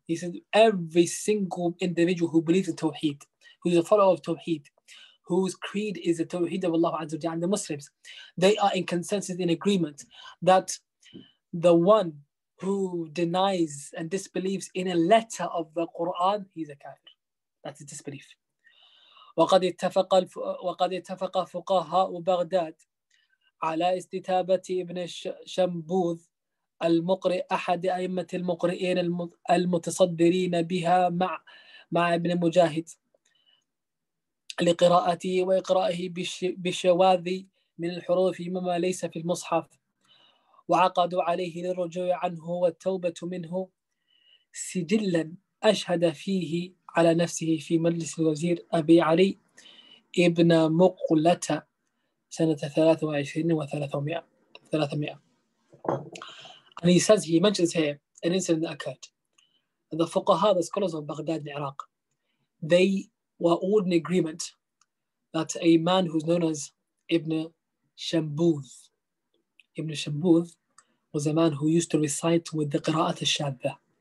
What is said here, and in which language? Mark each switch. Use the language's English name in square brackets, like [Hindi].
[English] He said, every single individual who believes in Tawheed, who is a follower of Tawheed, whose creed is the Tawheed of Allah عز وجل, and the Muslims, they are in consensus, in agreement, that the one who denies and disbelieves in a letter of the Quran, he's a kafir. That's a disbelief. [Arabic] وقد اتفق فقهاء بغداد على استتابة ابن شنبوذ المقرئ أحد أئمة المقرئين المتصدرين بها مع ابن مجاهد لقراءته وإقرائه بالشواذ من الحروف مما ليس في المصحف. وعقدوا عليه للرجوع عنه والتوبة منه سجلا أشهد فيه على نفسه في مجلس الوزير أبي علي ابن مقلة سنة 23 و300. [English] And he says, he mentions here an incident that occurred. The fuqaha, the scholars of Baghdad in Iraq, they were all in agreement that a man who's known as Ibn Shambuz was a man who used to recite with the Qira'at al-Shadda.